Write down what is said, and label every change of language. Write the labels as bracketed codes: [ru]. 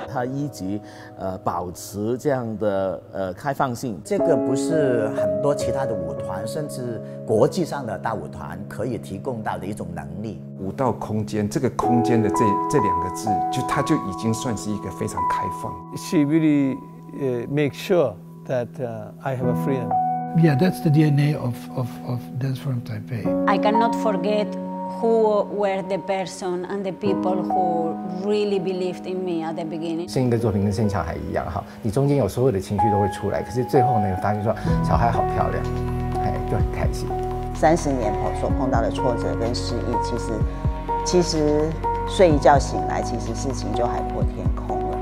[zh] 它一直保持这样的开放性。这个不是很多其他的舞团，甚至国际上的大舞团可以提供到的一种能力。舞蹈空间，这个空间的这两个字，就它就已经算是一个非常开放。 [en] She really。 Make sure that I have a freedom. Yeah, that's the DNA of Dance from Taipei. I cannot forget who were the person and the people who really believed in me at the beginning. [zh] 生一个作品跟生小孩一样哈，你中间有所有的情绪都会出来，可是最后呢，发现说小孩好漂亮，哎，就很开心。 30年所碰到的挫折跟失意，其实睡一觉醒来，其实事情就海阔天空。